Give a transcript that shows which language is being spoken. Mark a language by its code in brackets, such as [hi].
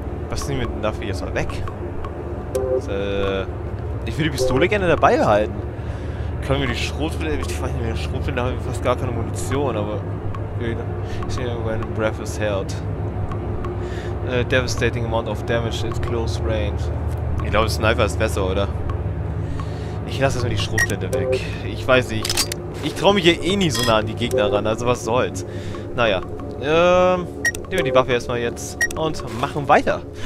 [de] Was nehmen wir denn dafür jetzt mal weg? Ich würde die Pistole gerne dabei behalten. Können wir die Schrotflinte? Ich weiß nicht mehr, Schrotflinte, da haben wir fast gar keine Munition, aber. Ich sehe, [en] when breath is held. A devastating amount of damage at close range. [de] Ich glaube, Sniper ist besser, oder? Ich lasse jetzt mal die Schrotflinte weg. Ich weiß nicht. Ich traue mich hier eh nie so nah an die Gegner ran, also was soll's. Naja. Nehmen wir die Waffe erstmal jetzt und machen weiter.